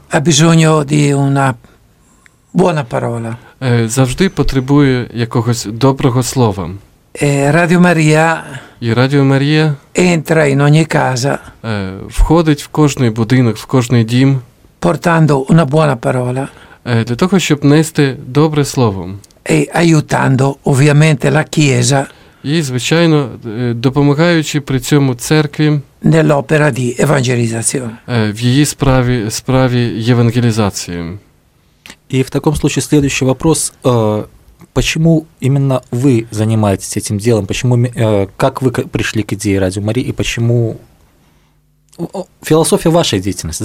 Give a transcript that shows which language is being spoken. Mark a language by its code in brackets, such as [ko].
[it] Ha bisogno di una buona parola. [uk] Завжди потребує якогось доброго слова. Радіо Марія. І Радіо Марія. [it] Entra in ogni casa. [uk] Входить в кожний будинок, в кожний дім. [it] Portando una buona parola. [uk] Для того, щоб нести добре слово. [it] E aiutando ovviamente la chiesa. [uk] І, звичайно, допомагаючи при цьому церкві. [it] Nell'opera di evangelizzazione. [uk] В її справі евангелізації. [ru] І в такому случае следующий вопрос. Почему именно вы занимаетесь этим делом? Почему, как вы пришли к идее Радио Марии? И почему философия вашей деятельности?